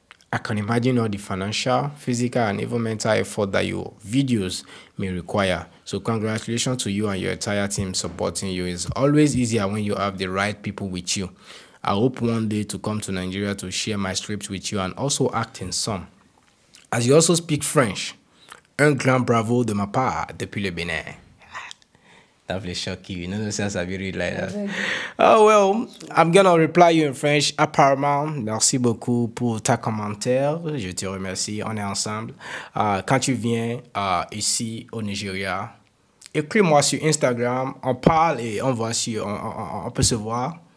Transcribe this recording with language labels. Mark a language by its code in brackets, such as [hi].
[en] I can imagine all the financial, physical, and even mental effort that your videos may require. So congratulations to you and your entire team supporting you. It's always easier when you have the right people with you. I hope one day to come to Nigeria to share my scripts with you and also act in some. As you also speak French, [fr] un grand bravo de ma part depuis le Bénin. [en] That will shock you. You know the sense of really like that. Oh, well, I'm going to reply you in French. [fr] Apparemment, merci beaucoup pour ta commentaire. Je te remercie. On est ensemble. Quand tu viens ici au Nigeria, écris-moi sur Instagram. On parle et on voit si on peut se voir.